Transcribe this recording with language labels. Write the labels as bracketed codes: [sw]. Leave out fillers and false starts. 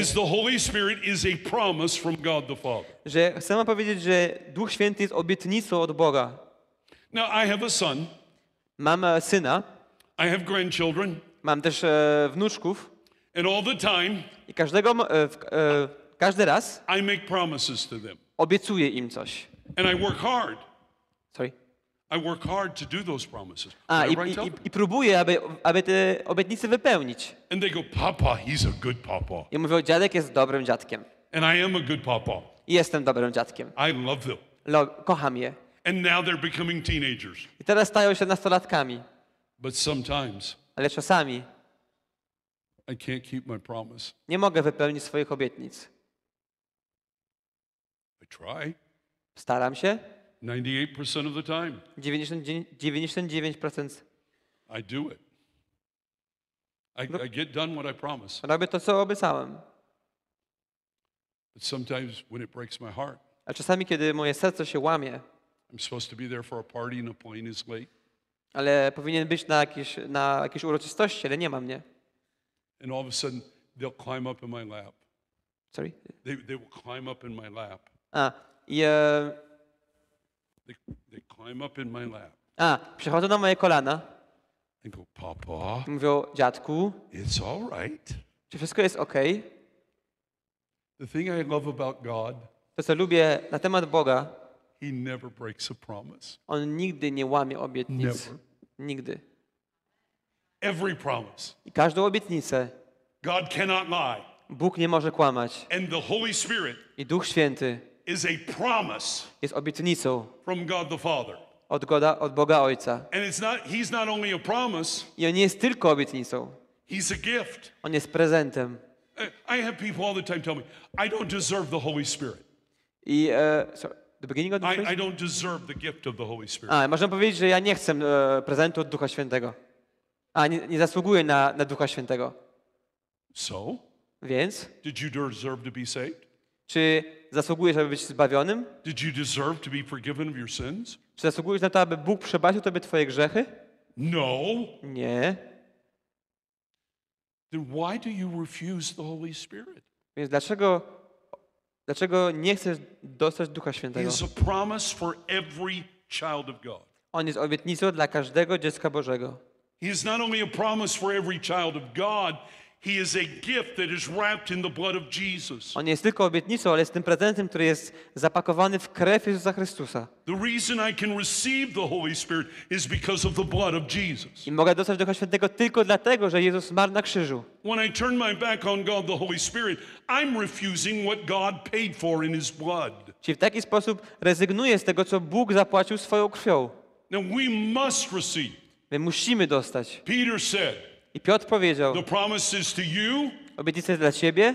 [en] is the Holy Spirit is a promise from God the Father. [pl] Że chcę wam powiedzieć, że Duch Święty jest obietnicą od Boga. [en] Now I have a son. [pl] Mam syna. [en] I have grandchildren. [pl] Mam też wnuczków. [en] And all the time, [pl] i każdego, każdy raz, [en] I make promises to them. [pl] Obiecuję im coś. [en] And I work hard. Sorry. I work hard to do those promises. [pl] I próbuję, aby te obietnice wypełnić. [en] And they go, Papa, he's a good papa. [pl] I mówią, dziadek jest dobrym dziadkiem. [en] And I am a good papa. [pl] I jestem dobrym dziadkiem. [en] I love them. [pl] Kocham je. [en] And now they're becoming teenagers. [pl] I teraz stają się nastolatkami. [en] But sometimes, [pl] ale czasami, [en] I can't keep my promise. [pl] Nie mogę wypełnić swoich obietnic. [en] I try. [pl] Staram się. [en] 98% of the time. [pl] 99%. [en] I do it. I get done what I promise. [pl] Robię to, co obiecałem. [en] But sometimes when it breaks my heart. [pl] A czasami, kiedy moje serce się łamie. [en] I'm supposed to be there for a party and a plane is late. [pl] Ale powinien być na jakiejś uroczystości, ale nie ma mnie. [en] And all of a sudden they'll climb up in my lap. Sorry? They will climb up in my lap. They climb up in my lap. [pl] Przychodzą na moje kolana. [en] And go, Papa. [pl] Mówią, dziadku. [en] It's all right. [pl] Czy wszystko jest okay? [en] The thing I love about God. [pl] To, co lubię na temat Boga. [en] He never breaks a promise. [pl] On nigdy nie łamie obietnic. [en] Never. [pl] Nigdy. [en] Every promise. [pl] I każdą obietnicę. [en] God cannot lie. [pl] Bóg nie może kłamać. [en] And the Holy Spirit, [pl] i Duch Święty, [en] is a promise, [pl] jest obietnicą, [en] from God the Father. [pl] Od Boga Ojca. [en] And it's not, he's not only a promise. [pl] I on nie jest tylko obietnicą. [en] He's a gift. [pl] On jest prezentem. [en] I have people all the time tell me, I don't deserve the Holy Spirit. I the beginning of the I don't deserve the gift of the Holy Spirit. [pl] Można powiedzieć, że ja nie chcę prezentu od Ducha Świętego. Nie zasługuję na Ducha Świętego. [en] So? [pl] Więc? [en] Did you deserve to be saved? [pl] Czy zasługujesz, aby być zbawionym? [en] Did you deserve to be forgiven of your sins? [pl] Czy zasługujesz na to, aby Bóg przebaczył tobie twoje grzechy? [en] No. [pl] Nie. [en] Then why do you refuse the Holy Spirit? [pl] Więc dlaczego nie chcesz dostać Ducha Świętego? [en] It's a promise for every child of God. [pl] On jest obietnicą dla każdego dziecka Bożego. [en] He is not only a promise for every child of God, he is a gift that is wrapped in the blood of Jesus. [pl] On jest tylko obietnicą, ale jest tym prezentem, który jest zapakowany w krew Jezusa Chrystusa. [en] The reason I can receive the Holy Spirit is because of the blood of Jesus. [pl] I mogę dostać Ducha Świętego tylko dlatego, że Jezus zmarł na krzyżu. [en] When I turn my back on God, the Holy Spirit, I'm refusing what God paid for in his blood. [pl] Czyli w taki sposób rezygnuję z tego, co Bóg zapłacił swoją krwią. [en] Now we must receive. [pl] My musimy dostać. [en] Peter said, [pl] i Piotr powiedział, [en] the promise is to you, [pl] obietnica jest dla ciebie,